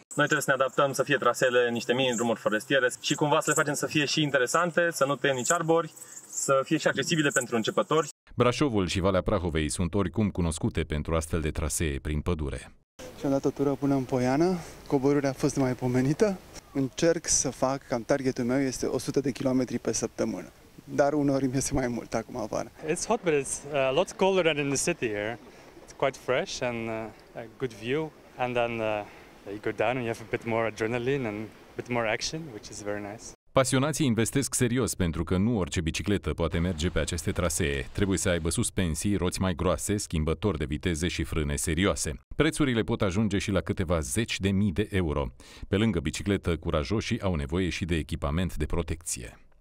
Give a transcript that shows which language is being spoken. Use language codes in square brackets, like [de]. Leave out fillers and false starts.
[ro] Noi trebuie să ne adaptăm să fie traseele niște mini drumuri forestiere și cumva să le facem să fie și interesante, să nu tăiem nici arbori, să fie și accesibile pentru începători. Brașovul și Valea Prahovei sunt oricum cunoscute pentru astfel de trasee prin pădure. Și-am dat o tură până în Poiană, coborârea a fost mai pomenită. Încerc să fac, cam targetul meu este 100 de kilometri pe săptămână, dar uneori îmi iese mai mult acum vară. [en] It's hot, but it's a lot colder than in the city here. It's quite fresh and a good view. And then you go down and you have a bit more adrenaline and a bit more action, which is very nice. [ro] Pasionații investesc serios pentru că nu orice bicicletă poate merge pe aceste trasee. Trebuie să aibă suspensii, roți mai groase, schimbători de viteze și frâne serioase. Prețurile pot ajunge și la câteva 10.000 de euro. Pe lângă bicicletă, curajoșii au nevoie și de echipament de protecție.